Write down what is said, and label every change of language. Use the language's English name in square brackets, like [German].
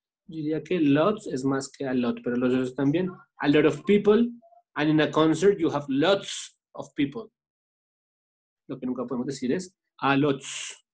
[Spanish] Diría que lots es más que a lot, pero los otros también. [English] A lot of people, and in a concert you have lots of people. [Spanish] Lo que nunca podemos decir es a lots.